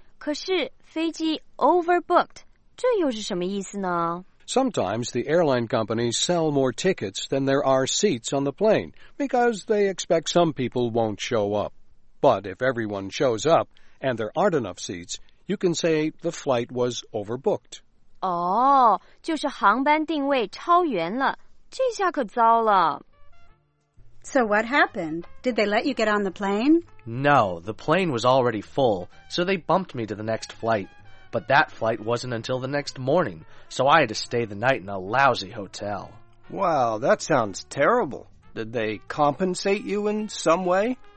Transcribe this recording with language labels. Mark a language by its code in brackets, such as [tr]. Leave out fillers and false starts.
[zh] 可是飞机 overbooked, 这又是什么意思呢？ [en] Sometimes the airline companies sell more tickets than there are seats on the plane, because they expect some people won't show up. But if everyone shows up, and there aren't enough seats, you can say the flight was overbooked. [zh] 哦，就是航班定位超员了，这下可糟了。 [en] So what happened? Did they let you get on the plane? No, the plane was already full, so they bumped me to the next flight. but that flight wasn't until the next morning, so I had to stay the night in a lousy hotel. Wow, that sounds terrible. Did they compensate you in some way?